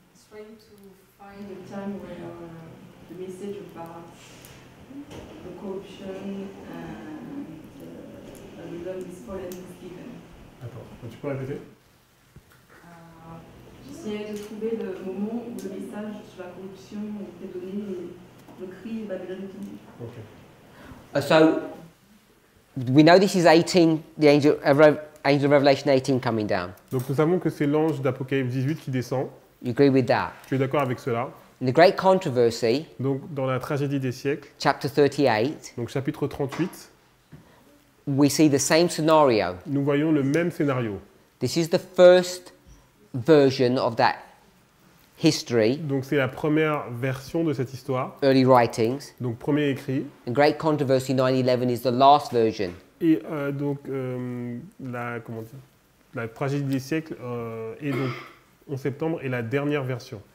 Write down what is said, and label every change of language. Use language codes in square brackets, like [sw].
[en] Trying to find the time where the message about the corruption and the love is fallen is given. [fr] Attends, tu peux répéter? essayait de trouver le moment où le message sur la corruption était donné, le cri de Babylone est tombé. [en] So, we know this is 18, the angel of Revelation 18 coming down. [fr] Donc nous savons que c'est l'ange d'Apocalypse 18 qui descend. [en] You agree with that? [fr] Tu es d'accord avec cela? [en] In the great controversy, [fr] donc dans la tragédie des siècles, [en] chapter 38, [fr] donc chapitre 38, [en] we see the same scenario. [fr] Nous voyons le même scénario. [en] This is the first version of that history, [fr] donc c'est la première version de cette histoire. [en] Early writings. [fr] Donc premier écrit. [en] And Great Controversy 9/11 is the last version. [fr] Et donc la comment dire la tragédie des siècles est donc en septembre est la dernière version.